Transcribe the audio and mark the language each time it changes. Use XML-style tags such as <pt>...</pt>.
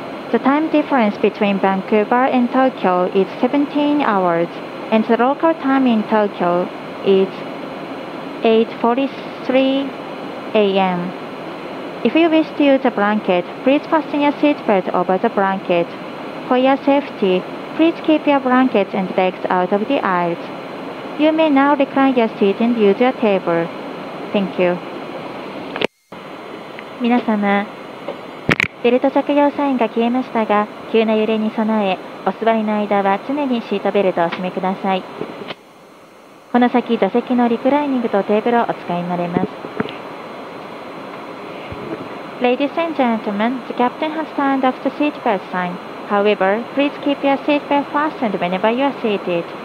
<en>The time difference between Vancouver and Tokyo is 17 hours, and the local time in Tokyo is 8:43 a.m. If you wish to use a blanket, please fasten your seatbelt over the blanket. For your safety, please keep your blankets and legs out of the aisles. You may now recline your seat and use your table. Thank you.</en> <ja>皆様、ベルト着用サインが消えましたが、急な揺れに備え、お座りの間は常にシートベルトをお締めください。この先、座席のリクライニングとテーブルをお使いになれます。</ja> <en>Ladies and gentlemen, the captain has turned off the seatbelt sign. However, please keep your seatbelt fastened whenever you are seated.</en>